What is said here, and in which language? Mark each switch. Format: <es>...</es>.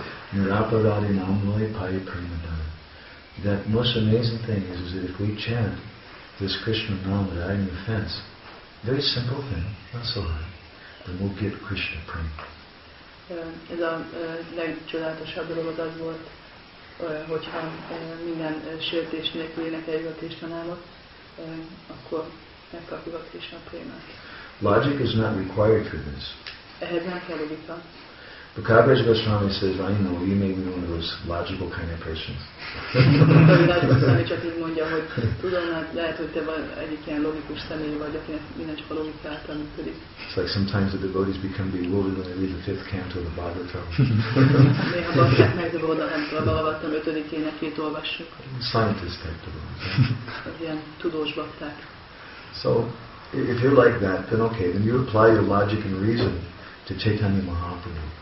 <bn>Nirapadari namlai pai primadana.</bn> <en>That most amazing thing is that if we chant this Krishna nama without any offense, very simple thing, not so hard, then we'll get Krishna prem.</en> <hu>Ez a legcsodálatosabb dolog az volt, hogyha minden sértés nélkül énekeljük a Krisna nevet, akkor megkapjuk a Krisna prémát.</hu> <en>Logic is not required for this.</en> <hu>Ehhez nem kell logika.</hu> <en>But Kaviraj Goswami says, I know, you may be one of those logical kind of persons.</en> <hu>Kaviraj Goswami csak így mondja, hogy tudom, lehet, hogy te egyik ilyen logikus személy vagy, akinek minden csak a logikát működik.</hu> <en>It's like sometimes the devotees become bewildered when they read the fifth canto of the Bhagavatam.</en> <hu>Néha bakták megzavarodnak, a Bhagavatam ötödik énekét olvassuk.</hu> <en>Scientist type devotees.</en> <hu>Ilyen tudós bakták.</hu> <en>So, If you're like that, then okay, then you apply your logic and reason to Chaitanya Mahaprabhu.</en>